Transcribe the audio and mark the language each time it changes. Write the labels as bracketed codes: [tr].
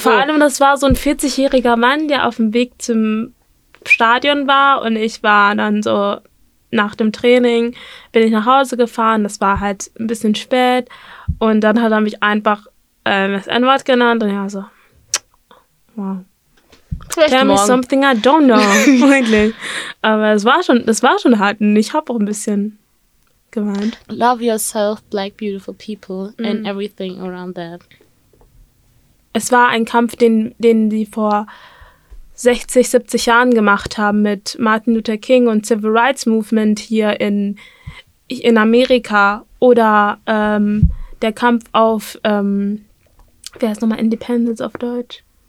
[de] Vor allem, das war so ein 40-jähriger Mann, der auf dem Weg zum Stadion war und ich war dann so nach dem Training, bin ich nach Hause gefahren, das war halt ein bisschen spät und dann hat er mich einfach das N-Wort genannt und ja, so, wow. [en] Tell me something I don't know. [de] Aber es war schon hart und ich habe auch ein bisschen... gemeint. [en] Love yourself, black beautiful people and everything around that. [de] Es war ein Kampf, den sie vor 60, 70 Jahren gemacht haben mit Martin Luther King und Civil Rights Movement hier in Amerika oder der Kampf auf, wer ist nochmal Independence auf Deutsch?